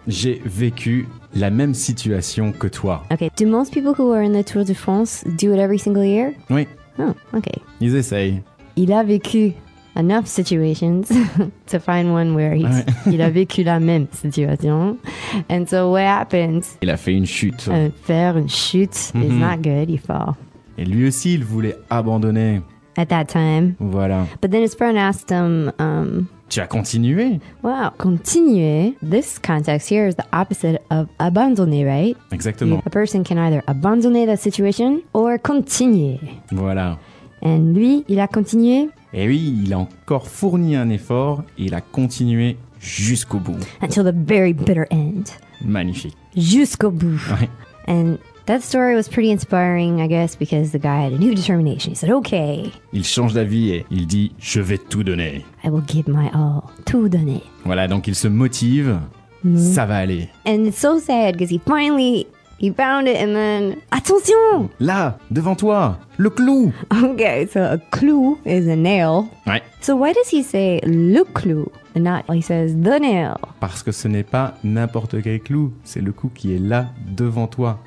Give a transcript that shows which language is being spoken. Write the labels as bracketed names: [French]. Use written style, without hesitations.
[French] J'ai vécu la même situation que toi. [English] Okay, do most people who are in the Tour de France do it every single year? [French] Oui. [English] Oh, okay. [French] Ils essayent. Il a vécu [English] enough situations to find one where he's, [French] ouais. Il a vécu la même situation. [English] And so what happens? [French] Il a fait une chute. Faire une chute [English] is not good, il fall. [French] Et lui aussi, il voulait abandonner. [English] At that time. [French] Voilà. [English] But then his friend asked him... [French] Tu as continué? [English] Wow, continuer. This context here is the opposite of abandonner, right? [French] Exactement. [English] A person can either abandonner the situation or continuer. [French] Voilà. And lui, il a continué. Et oui, il a encore fourni un effort et il a continué jusqu'au bout. [English] Until the very bitter end. [French] Magnifique. Jusqu'au bout. Ouais. [English] And that story was pretty inspiring, I guess, because the guy had a new determination. He said, okay. [French] Il change d'avis et il dit, je vais tout donner. [English] I will give my all. [French] Tout donner. Voilà, donc il se motive. Mm-hmm. Ça va aller. [English] And it's so sad because he found it and then... [French] Attention! Là, devant toi, le clou! [English] Okay, so a clou is a nail. [French] Ouais. [English] So why does he say le clou and not he says the nail? [French] Parce que ce n'est pas n'importe quel clou, c'est le clou qui est là, devant toi.